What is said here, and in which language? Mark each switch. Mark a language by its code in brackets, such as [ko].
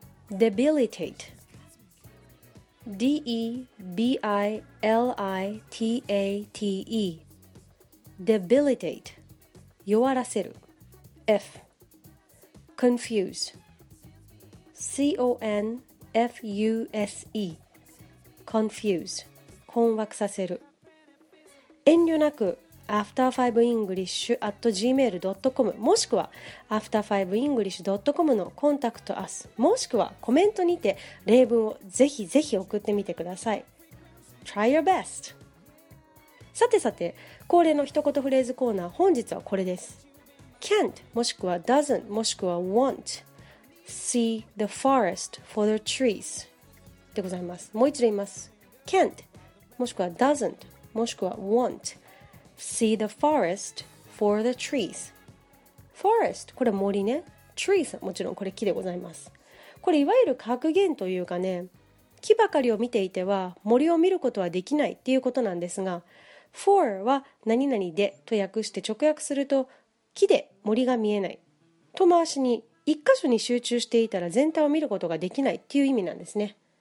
[en] Debilitate D-E-B-I-L-I-T-A-T-E Debilitate 弱らせる。 F Confuse C-O-N-F-U-S-E Confuse 困惑させる。 [ja] 遠慮なく after5english@gmail.com もしくは after5english.com のコンタクトアスもしくはコメントにて例文をぜひぜひ送ってみてください。 [en] Try your best。 [ja] さてさて、恒例の一言フレーズコーナー、本日はこれです。 [en] can't もしくは doesn't もしくは won't see the forest for the trees でございます。 [ja] もう一度言います。 [en] can't もしくは doesn't もしくは want see the forest for the trees。 [ja] forest これ森ね、 trees もちろんこれ木でございます。これいわゆる格言というかね、木ばかりを見ていては森を見ることはできないっていうことなんですが、 for は何々でと訳して直訳すると木で森が見えない、と回しに一箇所に集中していたら全体を見ることができないっていう意味なんですね。